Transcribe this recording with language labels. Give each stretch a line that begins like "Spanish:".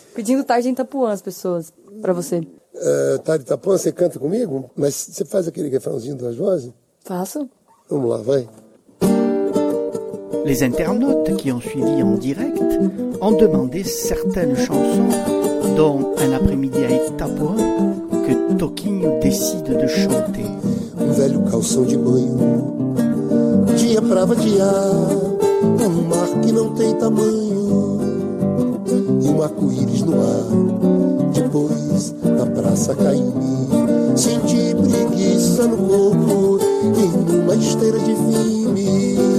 Portuguese: Pedindo tarde em Itapuã, as pessoas, pra você. Tarde Itapuã, você canta comigo? Mas você faz aquele refrãozinho das vozes? Faço. Vamos lá, vai.
French: Les internautes qui ont suivi en direct ont demandé certaines chansons, dont Un après-midi à Itapuã, que Toquinho décide de chanter.
Portuguese: Um velho calção de banho, dia pra vadiar, um mar que não tem tamanho, e um arco-íris no ar. Depois da praça caí, senti preguiça no corpo e numa esteira de vime.